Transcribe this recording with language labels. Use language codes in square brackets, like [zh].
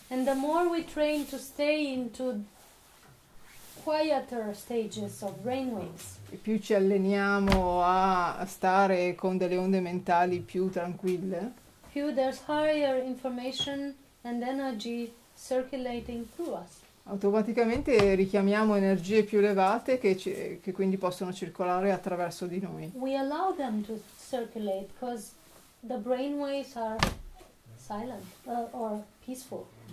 [en] And the more we train to stay into quieter stages of brainwaves. [it] E più ci alleniamo a stare con delle onde mentali più tranquille. Più [en] there's higher information and energy circulating through us. [it] Automaticamente richiamiamo energie più elevate che quindi possono circolare attraverso di noi. [en] We allow them to circulate because the brain waves are silent or peaceful.